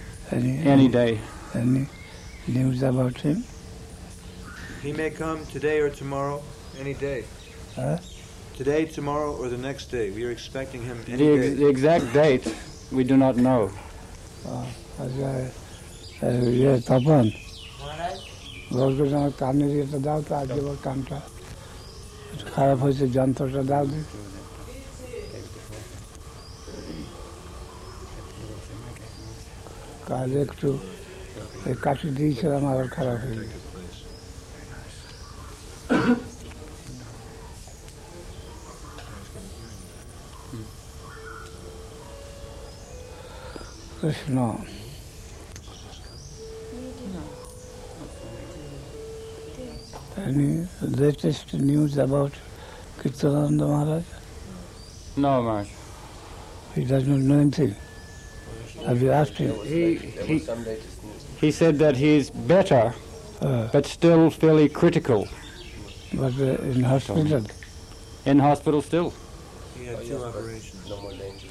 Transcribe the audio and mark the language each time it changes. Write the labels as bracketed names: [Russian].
[English] Any day. Any news about him? He may come today or tomorrow, any day. Today, tomorrow, or the next day? We are expecting him any day. The exact date, we do not know. Yes, Tapan. [Bangla] ভগবান কানের এটা দাও তো আজ আবার কানটা খারাপ হয়েছে যন্ত্রটা দাও দি কাল একটু কাঠি দিয়েছিলাম আবার খারাপ হয়ে গেছে Krishna [English] Any latest news about Kirtananda Maharaj? No, Maharaj. He doesn't know anything. Have you asked him? He said that he's better, but still fairly critical. But in hospital? In hospital still. He had two operations.